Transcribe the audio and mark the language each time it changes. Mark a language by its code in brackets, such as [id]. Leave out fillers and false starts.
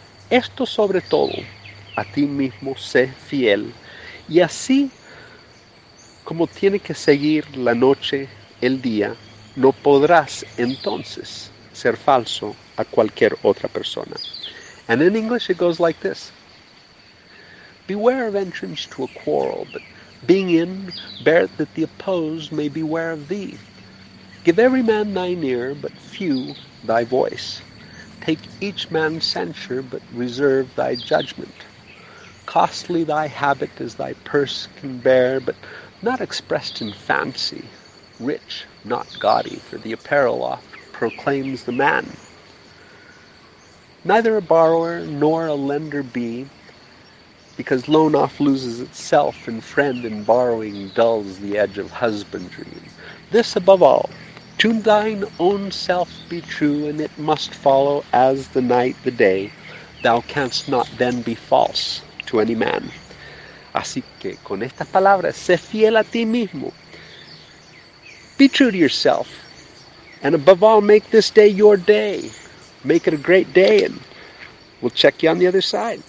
[es] Esto sobre todo, a ti mismo sé fiel, y así como tiene que seguir la noche, el día, no podrás entonces ser falso a cualquier otra persona. [en] And in English it goes like this. Beware of entrance to a quarrel, but being in, bear that the opposed may beware of thee. Give every man thine ear, but few thy voice. Take each man's censure, but reserve thy judgment. Costly thy habit as thy purse can bear, but not expressed in fancy, rich, not gaudy, for the apparel oft proclaims the man. Neither a borrower nor a lender be, because loan oft loses itself, and friend in borrowing dulls the edge of husbandry. This above all, to thine own self be true, and it must follow as the night the day, thou canst not then be false to any man. [es] Así que, con estas palabras, sé fiel a ti mismo. [en] Be true to yourself. And above all, make this day your day. Make it a great day, and we'll check you on the other side.